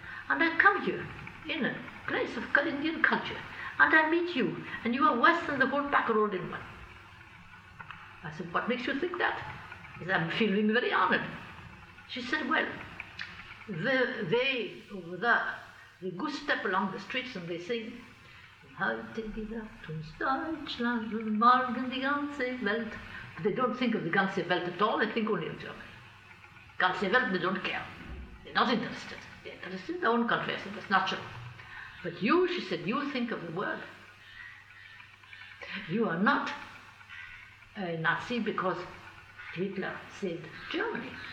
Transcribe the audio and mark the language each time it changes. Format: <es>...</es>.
<en>And I come here in a place of Indian culture and I meet you and you are worse than the whole pack of old Indian. I said, what makes you think that? She said, I'm feeling very honored. She said, well, they over there, they goose step along the streets and they sing,</en> <de>Heute gibt uns Deutschland, morgen die ganze Welt.</de> <en>But they don't think of the</en> <de>ganze Welt</de> <en>at all, they think only of Germany. Ganze Welt, they don't care. They're not interested. They're interested in their own country, I said, that's natural. But you, she said, you think of the world. You are not a Nazi because Hitler saved Germany.</en>